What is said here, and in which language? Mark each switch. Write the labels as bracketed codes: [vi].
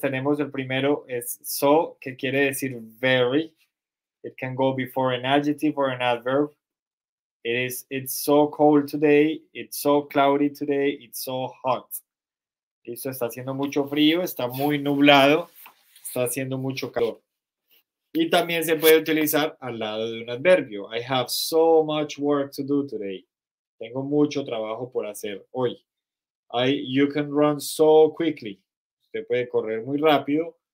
[es] tenemos el primero es so, que quiere decir very. [en] It can go before an adjective or an adverb. It's so cold today, it's so cloudy today, it's so hot. [es] Listo, está haciendo mucho frío, está muy nublado, está haciendo mucho calor. Y también se puede utilizar al lado de un adverbio. [en] I have so much work to do today. [es] Tengo mucho trabajo por hacer hoy. [en] You can run so quickly. [es] Usted puede correr muy rápido.